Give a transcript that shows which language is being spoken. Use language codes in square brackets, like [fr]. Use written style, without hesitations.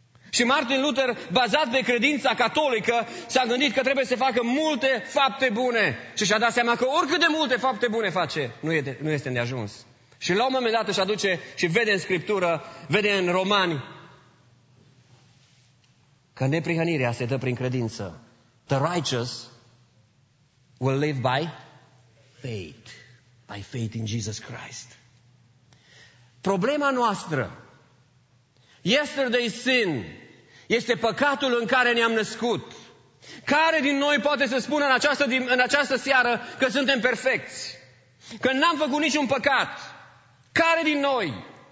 [ro] Și Martin Luther, bazat pe credința catolică, s-a gândit că trebuie să facă multe fapte bune. Și și-a dat seama că oricât de multe fapte bune face, nu este neajuns. Și la un moment dat își aduce și vede în Scriptură, vede în Romani, că neprihănirea se dă prin credință. [en] The righteous will live by faith. By faith in Jesus Christ. [ro] Problema noastră, [en] yesterday's sin, [ro] este păcatul în care ne-am născut. Care din noi poate să spună în această seară că suntem perfecți? Că n-am făcut niciun păcat? Care din noi?